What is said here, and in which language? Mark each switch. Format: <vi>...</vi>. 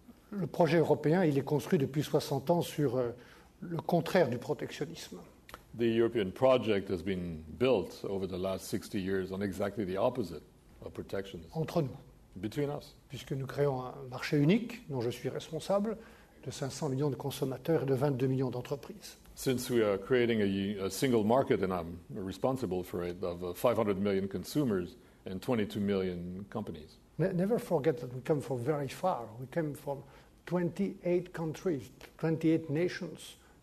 <fr>Le projet européen, il est construit depuis 60 ans sur le contraire du protectionnisme.</fr> <en>The European project has been built over the last 60 years on exactly the opposite of protectionism.</en> <fr>Entre nous.</fr> <en>Between us.</en> <fr>Puisque nous créons un marché unique, dont je suis responsable, de 500 millions de consommateurs et de 22 millions d'entreprises.</fr> <en>Since we are creating a single market, and I'm responsible for it, of 500 million consumers and 22 million companies. Never forget that we come from very far. We came from 28 countries, 28 nations.</en>